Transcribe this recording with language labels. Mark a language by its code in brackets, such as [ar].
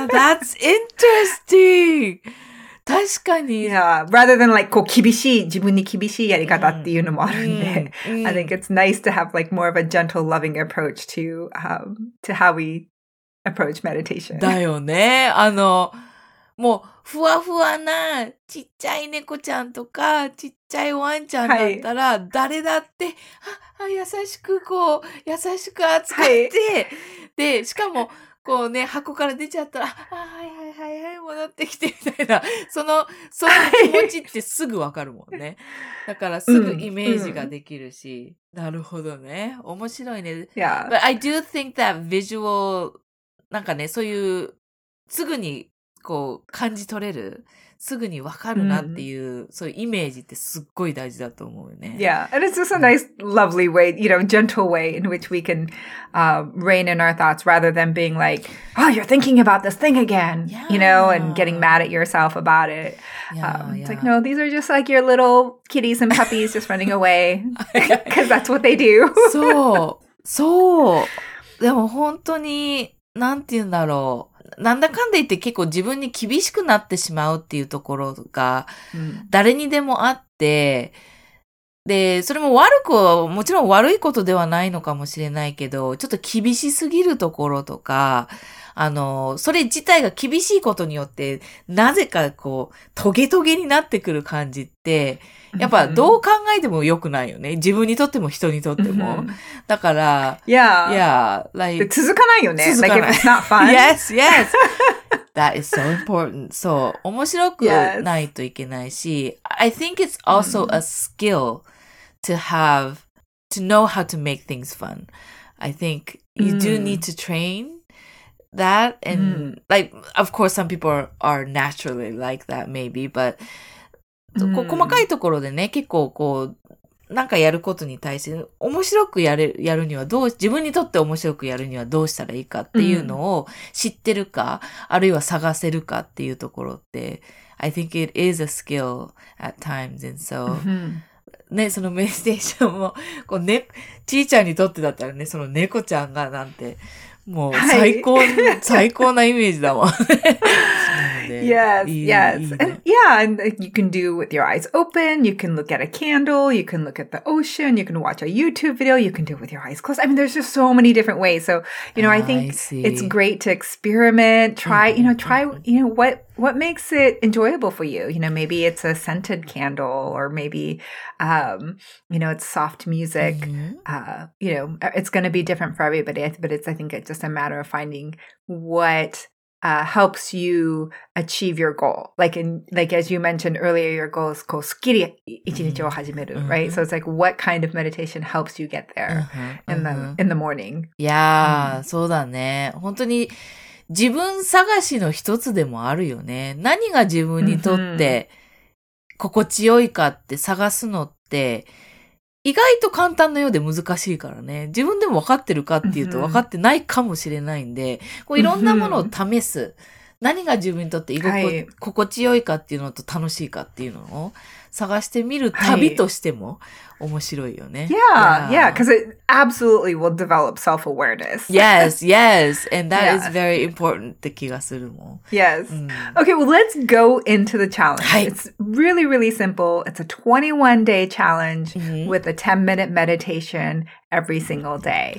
[en] That's interesting. [ja] 確かに。 [en] Yeah. Rather than like, [ja] こう、厳しい、自分に厳しいやり方っていうのもあるんで。 [en] I think it's nice to have like more of a gentle, loving approach to how we approach meditation. [ja] だよね。もう、ふわふわな、ちっちゃい猫ちゃんとか、ちっちゃいワンちゃんだったら、誰だって、優しくこう、優しく扱って、で、しかも、こうね、箱から出ちゃったら、はい、戻ってきて、みたいな。その気持ちってすぐわかるもんね。だからすぐイメージができるし。なるほどね。面白いね。 [en] Yeah. But I do think that visual, [ja] なんかね、そういう、すぐに、こう、感じ取れる、すぐにわかるなっていう、そういうイメージってすっごい大事だと思うよね。 [en] Yeah. And it's just a nice, lovely way, you know, gentle way in which we can, rein in our thoughts rather than being like, oh, you're thinking about this thing again, you know, and getting mad at yourself about it. It's like, no, these are just like your little kitties and puppies just running away. Cause that's what they do. [ja] そう。そう。でも本当に、なんて言うんだろう。なんだかんで言って結構自分に厳しくなってしまうっていうところが、誰にでもあって、で、それも悪くは、もちろん悪いことではないのかもしれないけど、ちょっと厳しすぎるところとか、それ自体が厳しいことによって、なぜかこう、トゲトゲになってくる感じって、やっぱどう考えても良くないよね。自分にとっても人にとっても。だから、 [en] yeah. Yeah, like, [ja] 続かないよね。続かない。 [en] Like, if it's not fun. Yes, yes. That is so important. [ja] そう、面白くないといけないし、 [en] yes. I think it's also a skill to know how to make things fun. I think you do need to train. That and like, of course, some people are naturally like that, maybe, but [ja] こう細かいところでね、結構こうなんかやることに対して面白くやるにはどう自分にとって面白くやるにはどうしたらいいかっていうのを知ってるか、あるいは探せるかっていうところって、 [en] I think it is a skill at times, and so. [ja] ね、そのメディテーションも、こうね、ちーちゃんにとってだったらね、その猫ちゃんがなんて、もう最高、はい、最高なイメージだもん。 [en] yes, yes. [ja] いいね、 [en] and yeah, and you can do with your eyes open, you can look at a candle, you can look at the ocean, you can watch a YouTube video, you can do it with your eyes closed. I mean, there's just so many different ways. So, you know, I think it's great to experiment, try what makes it enjoyable for you. You know, maybe it's a scented candle or maybe, you know, it's soft music. You know, it's going to be different for everybody, but it's, I think it's just a matter of finding whatHelps you achieve your goal. Like as you mentioned earlier, your goal is [ja] こうすっきり一日を始める、 [en] mm-hmm. right? So it's like, what kind of meditation helps you get there in the morning? [ja] Yeah,、mm-hmm. そうだね。本当に自分探しの一つでもあるよね。何が自分にとって心地よいかって探すのって、意外と簡単なようで難しいからね。自分でも分かってるかっていうと分かってないかもしれないんで、こういろんなものを試す。何が自分にとって心地よいかっていうのと楽しいかっていうのを探してみる旅としても面白いよね。 [en] Yeah, yeah, yeah, because it absolutely will develop self-awareness. Yes, yes, and that is very important [ja] って気がするもん。 [en] Yes.、うん、okay, well, let's go into the challenge.、 [ja] はい、 [en] it's really, really simple. It's a 21-day challenge、mm-hmm. with a 10-minute meditation every single day.